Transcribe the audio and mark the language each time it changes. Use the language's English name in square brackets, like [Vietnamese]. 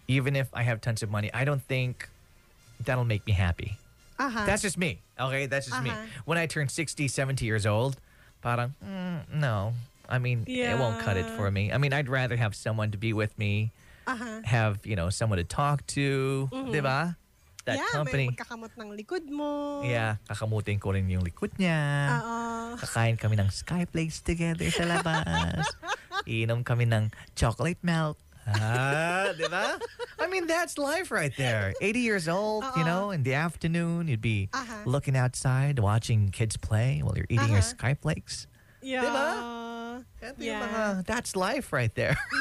[English] Even if I have tons of money, I don't think that'll make me happy. Uh-huh. That's just me, okay? That's just me. When I turn 60, 70 years old, parang, no. I mean, it won't cut it for me. I mean, I'd rather have someone to be with me, have, you know, someone to talk to, di ba? That company. [Filipino] Yeah, may magkakamot ng likod mo. Yeah, kakamutin ko rin yung likod niya. Kakain kami ng sky plates together sa labas. Iinom kami ng chocolate milk. [English] I mean, that's life right there. 80 years old, you know, in the afternoon, you'd be looking outside, watching kids play while you're eating your Skype Lakes. Yeah. Diba? That's life right there.